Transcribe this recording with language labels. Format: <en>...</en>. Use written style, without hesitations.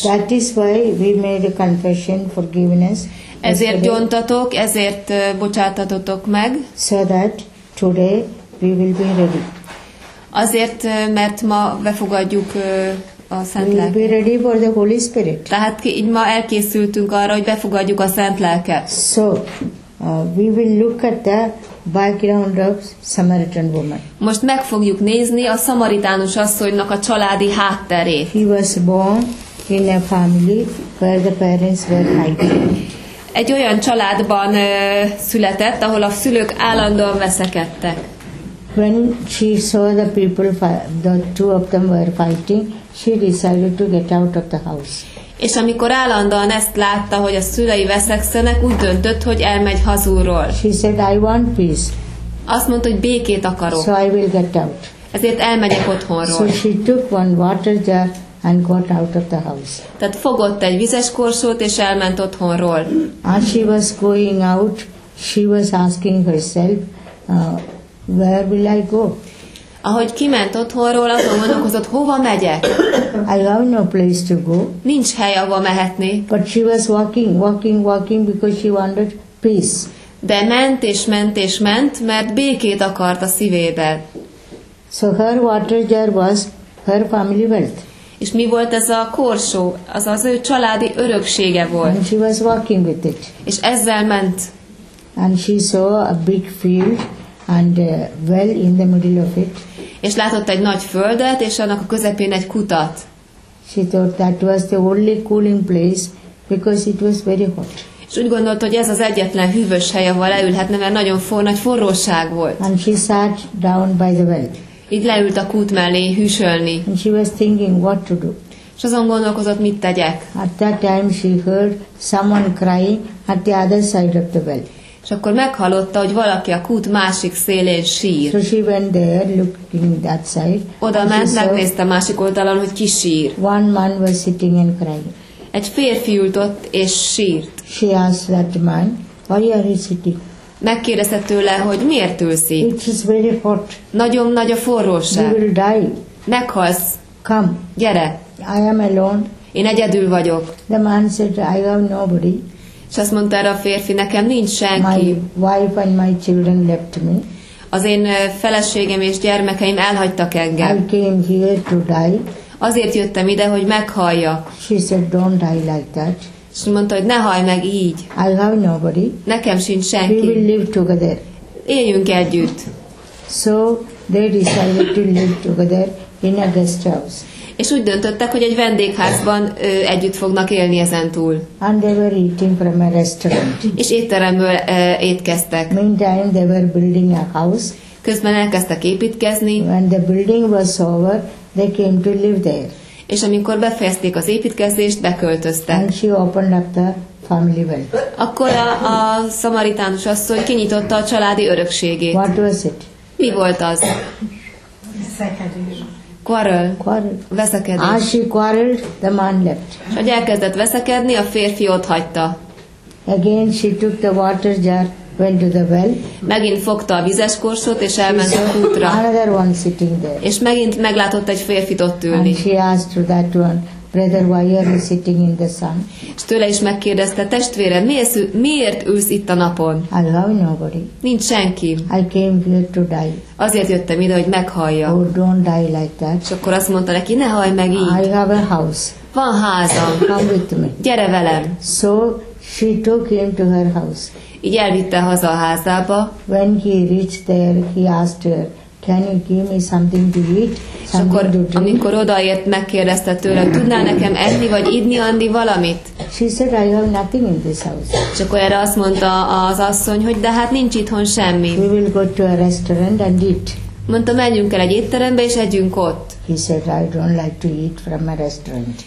<en>That is why we made a confession, forgiveness.</en> <hu>Ezért gyóntatok, ezért bocsátatotok meg.</hu> <en>So that today we will be ready.</en> <hu>Azért, mert ma befogadjuk a Szent Lelket.</hu> <en>We will be ready for the Holy Spirit.</en> <hu>Tehát így ma elkészültünk arra, hogy befogadjuk a Szent Lelket.</hu> <en>So, we will look at the background of Samaritan woman.</en> <hu>Most meg fogjuk nézni a szamaritánus asszonynak a családi hátterét.</hu> <en>He was born in a family where the parents were fighting.</en> <hu>Egy olyan családban született, ahol a szülők állandóan veszekedtek.</hu> <en>When she saw the people, the two of them were fighting, she decided to get out of the house.</en> <hu>És amikor állandóan ezt látta, hogy a szülei veszekszenek, úgy döntött, hogy elmegy hazulról.</hu> <en>She said, I want peace.</en> <hu>Azt mondta, hogy békét akarok.</hu> <en>So I will get out.</en> <hu>Ezért elmegyek otthonról.</hu> <en>So she took one water jar and got out of the house.</en> <hu>Tehát fogott egy vizes korsót és elment otthonról.</hu> <en>As she was going out, she was asking herself, where will I go?</en> <hu>Ahogy kiment otthonról, azon gondolkozott, hova megyek?</hu> <en>I have no place to go.</en> <hu>Nincs hely, ahova mehetnék.</hu> <en>But she was walking, because she wanted peace.</en> <hu>De ment, mert békét akart a szívében.</hu> <en>So her water jar was her family wealth.</en> <hu>És mi volt ez a korsó? Az az ő családi öröksége volt.</hu> <en>And she was walking with it.</en> <hu>És ezzel ment.</hu> <en>And she saw a big field. And well in the middle of it.</en> <hu>és látott egy nagy földet, és annak a közepén egy kutat.</hu> <en>She thought that was the only cooling place because it was very hot.</en> <hu>És úgy gondolta, hogy ez az egyetlen hűvös hely, ahol leülhetne, mert nagyon nagy forróság volt.</hu> <en>And she sat down by the well.</en> <hu>Így leült a kút mellé hűsölni.</hu> <en>And she was thinking what to do.</en> <hu>És azon gondolkozott, mit tegyek.</hu> <en>At that time she heard someone crying at the other side of the well.</en> <hu>És akkor meghallotta, hogy valaki a kút másik szélén sír.</hu> <en>So she went there, looking that side.</en> <hu>Oda ment, megnézte másik oldalon, hogy ki sír.</hu> <en>One man was sitting and crying.</en> <hu>Egy férfi ült ott és sírt.</hu> <en>She asked that man, why are you sitting?</en> <hu>Megkérdezte tőle, hogy miért ülsz itt.</hu> <en>It is very hot.</en> <hu>Nagyon nagy a forróság.</hu> <en>You will die.</en> <hu>Meghalsz.</hu> <en>Come.</en> <hu>Gyere.</hu> <en>I am alone.</en> <hu>Én egyedül vagyok.</hu> <en>The man said, I have nobody.</en> <hu>És azt mondta erre a férfi, nekem nincs senki.</hu> <en>My wife and my children left me.</en> <hu>Az én feleségem és gyermekeim elhagytak engem.</hu> <en>I came here to die.</en> <hu>Azért jöttem ide, hogy meghalljak.</hu> <en>She said, don't die like that.</en> <hu>És mondta, hogy ne halj meg így.</hu> <en>I have nobody.</en> <hu>Nekem sincs senki.</hu> <en>We will live together.</en> <hu>Éljünk együtt.</hu> <en>So they decided to live together in a guest house.</en> <hu>És úgy döntöttek, hogy egy vendégházban együtt fognak élni ezentúl.</hu> <en>And they were eating from a restaurant.</en> <hu>És étteremből étkeztek.</hu> <en>Meantime they were building a house.</en> <hu>Közben elkezdtek építkezni.</hu> <en>When the building was over, they came to live there.</en> <hu>És amikor befejezték az építkezést, beköltöztek.</hu> <en>And she opened up the family well.</en> <hu>Akkor a szamaritánus asszony kinyitotta a családi örökségét.</hu> <en>What was it?</en> <hu>Mi volt az? Szekedés.</hu> <en>Quarrel. Quarrel.</en> <hu>Veszekedés.</hu> <en>As she quarreled, the man left.</en> <hu>És hogy elkezdett veszekedni, a férfi ott hagyta.</hu> <en>Again she took the water jar, went to the well.</en> <hu>Megint fogta a vizes korsót és elment a kútra.</hu> <en>Another one sitting there.</en> <hu>És megint meglátott egy férfit ott ülni.</hu> <en>And she asked to that one, brother, why are you sitting in the sun?</en> <hu>És tőle is megkérdezte, testvére, miért ülsz itt a napon?</hu> <en>I love nobody.</en> <hu>Nincs senki.</hu> <en>I came here to die.</en> <hu>Azért jöttem ide, hogy meghalljam.</hu> <en>Oh, don't die like that.</en> <hu>És akkor azt mondta neki, ne halj meg így.</hu> <en>I have a house.</en> <hu>Van házam.</hu> <en>Come with me.</en> <hu>Gyere velem.</hu> <en>So she took him to her house.</en> <hu>Így elvitte haza a házába.</hu> <en>When he reached there, he asked her, can you give me something to eat?</en> <hu>És akkor, amikor odaért, megkérdezte tőle, tudnál nekem enni vagy inni, Andi, valamit?</hu> <en>She said, I have nothing in this house.</en> <hu>És akkor erre azt mondta az asszony, hogy de hát nincs itthon semmi.</hu> <en>We will go to a restaurant and eat.</en> <hu>Mondta, menjünk el egy étterembe és együnk ott.</hu> <en>He said, I don't like to eat from a restaurant.</en>